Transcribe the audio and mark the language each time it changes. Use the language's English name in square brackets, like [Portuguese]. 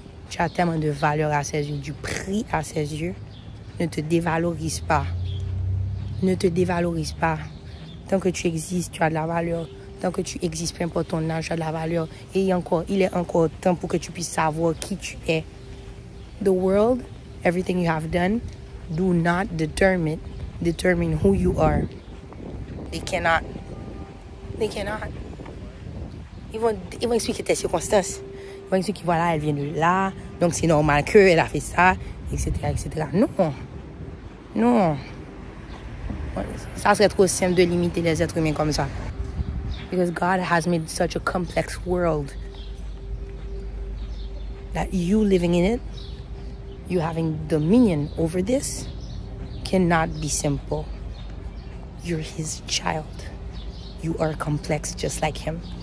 [French] Tu as tellement de valeur à ses yeux, du prix à ses yeux. Ne te dévalorise pas. Ne te dévalorise pas. Tant que tu existes, tu as de la valeur. Tant que tu existes, peu importe ton âge, tu as de la valeur. Et encore, il est encore temps pour que tu puisses savoir qui tu es. [English] The world, everything you have done, do not determine who you are. They cannot. [French] Ils vont expliquer tes circonstances. Ils vont expliquer, voilà, elle vient de là, donc c'est normal qu'elle a fait ça, etc., etc. Non. Non. Ça serait trop simple de limiter les êtres humains comme ça. [English] Because God has made such a complex world that you living in it, you having dominion over this, cannot be simple. You're his child. You are complex just like him.